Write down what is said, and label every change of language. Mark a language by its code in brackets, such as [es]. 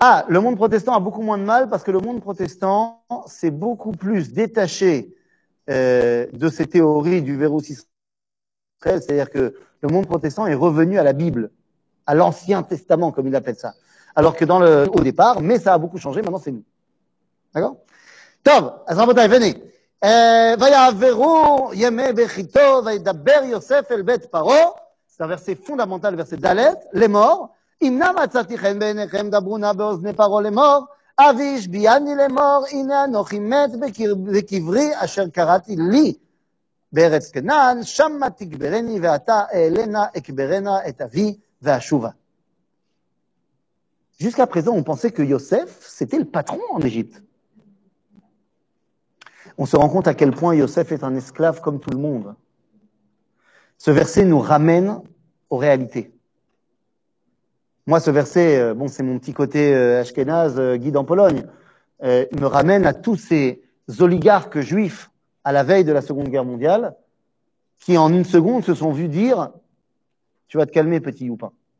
[fr] Ah, le monde protestant a beaucoup moins de mal parce que le monde protestant s'est beaucoup plus détaché de ses théories du Verus Israël. C'est-à-dire que le monde protestant est revenu à la Bible, à l'Ancien Testament, comme il appelle ça. Alors que au départ, mais ça a beaucoup changé, maintenant c'est nous. D'accord ? [he] Tov, Azrabotai, [fr] venez. [he] ויעברו ימי בחיתו וידבר יוסף אל בית פרעה, זה [fr] הוורסי פונדמנטל וורסי [he] דלת, למור, אם נא מצאתי חן בעיניכם דברו נא באוזני פרעה למור, אבי השביעני למור, הנה אנוכי מת בקברי אשר קראתי לי בארץ כנען, שמה תגברני ואתה אעלנה אקברנה את אבי ואשובה. [fr] Jusqu'à présent, on pensait que Yosef, c'était le patron en Égypte. On se rend compte à quel point Yosef est un esclave comme tout le monde. Ce verset nous ramène aux réalités. Moi, ce verset, bon, c'est mon petit côté ashkénaze, guide en Pologne, me ramène à tous ces oligarques juifs à la veille de la Seconde Guerre mondiale qui, en une seconde, se sont vus dire « Tu vas te calmer, petit Youpin.